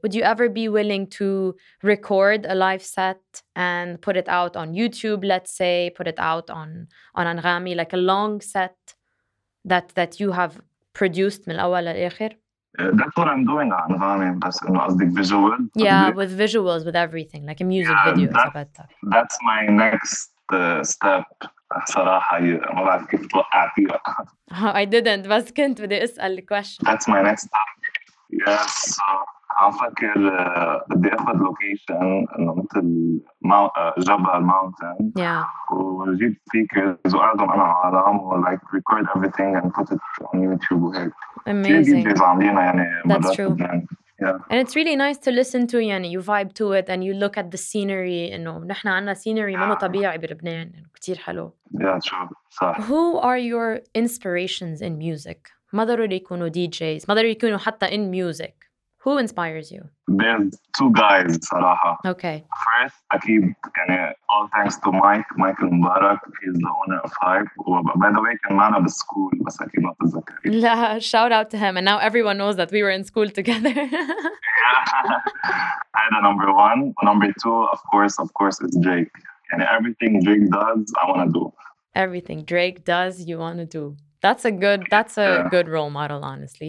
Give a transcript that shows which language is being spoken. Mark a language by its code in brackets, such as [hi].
[en] Would you ever be willing to record a live set and put it out on YouTube, let's say, put it out on Anghami, like a long set that you have produced [ar] من الأول للآخر? [en] That's what I'm doing on Anghami, [ar] بس إنه أصدق [en] visual. Yeah, with visuals, with everything, like a music video. That's my next step. [ar] صراحة ما بعرف كيف توقع فيها. [en] I didn't, [ar] بس كنت بدي أسأل الكويشن. [en] That's my next step. Yes. [ar] عم فكر بدي أخذ location إنه مثل جبل mountain. [en] Yeah. [ar] وجيب [en] speakers [ar] وأعدهم أنا عالم و [en] like record everything and put it on YouTube [ar] وهيك. [en] Amazing. [ar] في DJs عندنا يعني. [en] That's true. Yeah. And it's really nice to listen to, يعني you vibe to it and you look at the scenery. [ar] إنه نحنا عنا scenery منو طبيعي بلبنان. كتير حلو. [en] Yeah, true. Who are your inspirations in music? [ar] ما ضروري يكونوا [en] DJs. [ar] ما ضروري يكونوا حتى [en] in music. Who inspires you? There's two guys, صراحة. Okay. First, [ar] أكيد يعني [en] all thanks to Mike. Mike المبارك, he's the owner of Hype. By the way, [ar] كان معنا بالسكول, بس أكيد ما تذكر. [en] لا, shout out to him. And now everyone knows that we were in school together. Yeah. And the number one. Number two, of course, is Jake. And everything Drake does, I want to do. Everything Drake does, you want to do. That's a good, good role model, honestly.